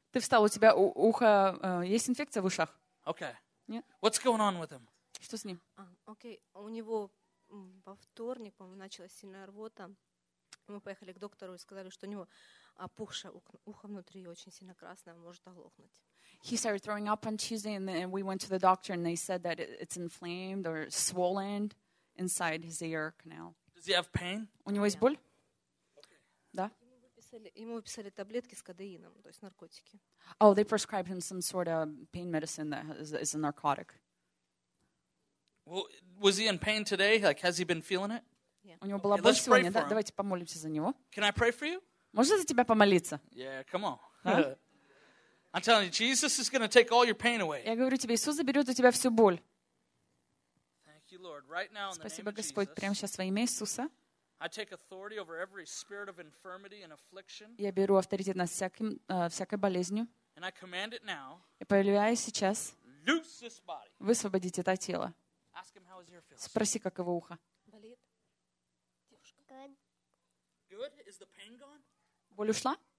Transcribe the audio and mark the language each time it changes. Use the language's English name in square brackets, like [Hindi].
[Russian] Ты встал, у тебя ухо есть инфекция в ушах? [English] Okay. [Russian] Нет. [English] What's going on with him? [Russian] Что с ним? Окей, у него во вторник, по-моему, началась сильная рвота. Мы поехали к доктору и сказали, что у него опухшее ухо внутри, очень сильно красное, может оглохнуть. [English] He started throwing up on Tuesday, and then we went to the doctor, and they said that it's inflamed or swollen inside his ear canal. Does he have pain? [Russian] У него есть боль? Да. Ему выписали таблетки с кодеином, то есть наркотики. [English] Oh, they prescribed him some sort of pain medicine that is a narcotic. Well, was he in pain today? Like, has he been feeling it? [Russian] У него была боль сегодня. Давайте помолимся за него. [English] Can I pray for you? [Russian] Можно за тебя помолиться? [English] Yeah, come on. I'm telling you, Jesus is going to take all your pain away. [Russian] Я говорю тебе, Иисус заберет у тебя всю боль. [English] Thank you, Lord. Right now, in the name of Jesus. [Russian] Спасибо, Господь, прямо сейчас во имя Иисуса. [English] I take authority over every spirit of infirmity and affliction. [Russian] Я беру авторитет над всякой болезнью. [English] And I command it now. [Russian] И повелеваю сейчас. [English] Loose this body. [Russian] Высвободить это тело. [English] Ask him how his ear feels. [Russian] Спроси, как его ухо. Болит. [English] Good. Is the pain gone? [Russian] Боль ушла?